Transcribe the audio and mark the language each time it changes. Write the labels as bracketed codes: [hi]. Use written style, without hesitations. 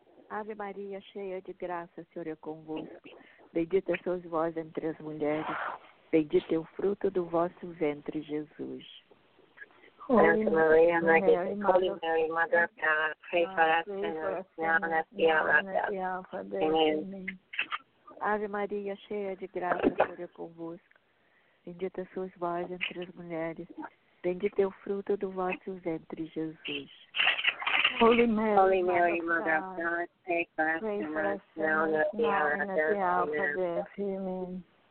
[pt] Ave Maria, cheia de graça, o Senhor é convosco. Bendita sois vós entre as mulheres. Bendito é o fruto do vosso ventre, Jesus. [en] Santa Maria, Holy Mary, Mother of God, pray for us sinners now and at the hour of death. Amen. [pt] Ave Maria, cheia de graça, Senhor, convosco. Bendita sois vós entre as mulheres. Bendito é o fruto do vosso ventre, Jesus. [en] Holy Mary, Mother of God, pray for us now and at the hour of death. Amen.